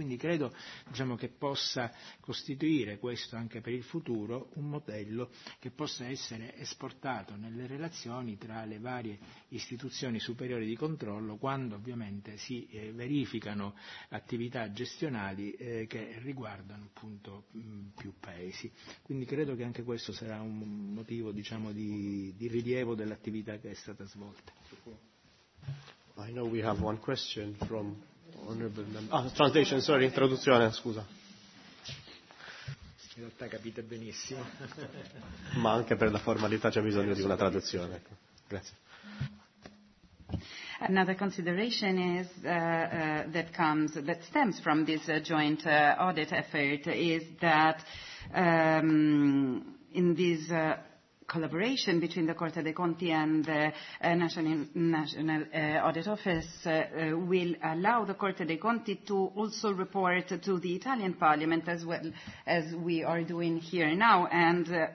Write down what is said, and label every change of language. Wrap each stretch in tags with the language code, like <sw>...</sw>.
<it>Quindi credo, diciamo, che possa costituire questo anche per il futuro un modello che possa essere esportato nelle relazioni tra le varie istituzioni superiori di controllo, quando ovviamente si verificano attività gestionali che riguardano appunto più paesi. Quindi credo che anche questo sarà un motivo, diciamo, di rilievo dell'attività che è stata svolta.</it> <en>I know we have one question from honorable member. Translation, sorry,</en> <it>traduzione, scusa. In realtà capite benissimo. Ma anche per la formalità c'è bisogno di una traduzione. Grazie.</it> <en>Another consideration is that stems from this joint audit effort is that in this collaboration between the Corte dei Conti and the National Audit Office will allow the Corte dei Conti to also report to the Italian Parliament as well as we are doing here now, and</en>